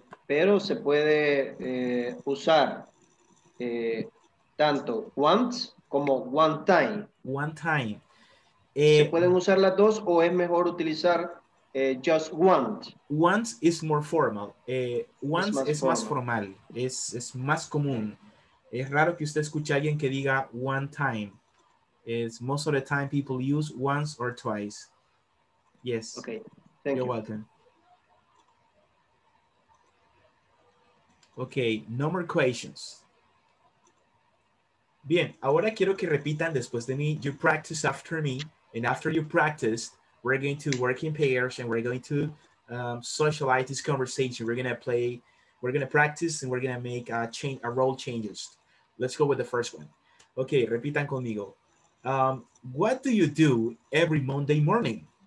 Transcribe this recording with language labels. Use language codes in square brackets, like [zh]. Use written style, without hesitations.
[es] Pero se puede usar tanto once como [en] one time. One time. [es] ¿Se pueden usar las dos o es mejor utilizar [en] just once? Once is more formal. [es] Once es más formal. Es más común. Es raro que usted escuche a alguien que diga [en] one time. It's most of the time people use once or twice. Yes. Okay. Thank You're Welcome. Okay, no more questions. [es] Bien, ahora quiero que repitan después de mí. [en] You practice after me. And after you practice, we're going to work in pairs and we're going to socialize this conversation. We're going to play, we're going to practice and we're going to make a role changes. Let's go with the first one. Okay, [es] repitan conmigo. [en] What do you do every Monday morning?